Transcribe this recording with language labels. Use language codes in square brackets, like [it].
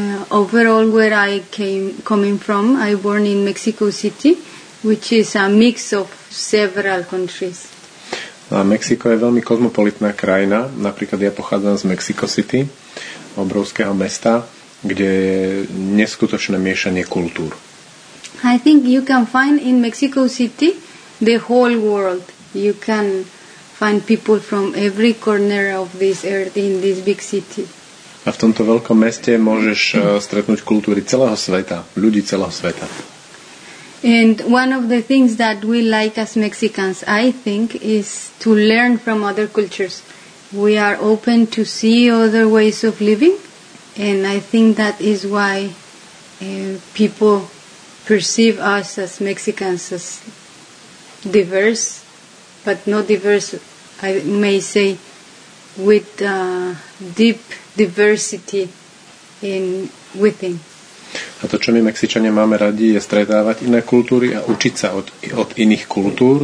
[en] Overall, where I coming from, I born in Mexico City, which is a mix of several countries. [sk] A Mexiko je veľmi kozmopolitná krajina. Napríklad ja pochádzam z Mexico City, obrovského mesta, kde je neskutočné miešanie kultúr. [en] I think you can find in Mexico City the whole world. You can find people from every corner of this earth in this big city. [sk] A v tomto veľkom meste môžeš stretnúť kultúry celého sveta, ľudí celého sveta. [en] And one of the things that we like as Mexicans, I think, is to learn from other cultures. We are open to see other ways of living, and I think that is why people perceive us as Mexicans as diverse, but not diverse, I may say, with deep diversity in within. [sk] A to, čo my Mexičania máme radi, je stretávať iné kultúry a učiť sa od iných kultúr.